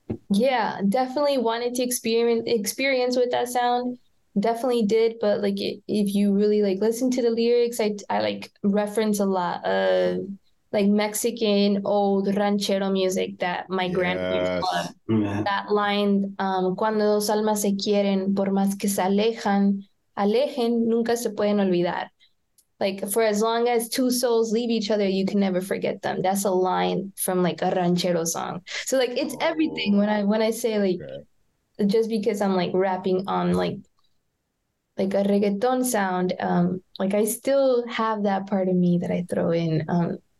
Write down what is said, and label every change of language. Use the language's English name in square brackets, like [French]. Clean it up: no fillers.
[English] Yeah, definitely wanted to experience with that sound. Definitely did. But like if you really like listen to the lyrics, I like reference a lot of like Mexican old ranchero music that my grandparents love. That line, [Spanish] cuando dos almas se quieren, por más que se alejen, nunca se pueden olvidar. [English] Like, for as long as two souls leave each other, you can never forget them. That's a line from like a ranchero song. So like, it's everything when I say like, just because I'm like rapping on like a reggaeton sound, like I still have that part of me that I throw in.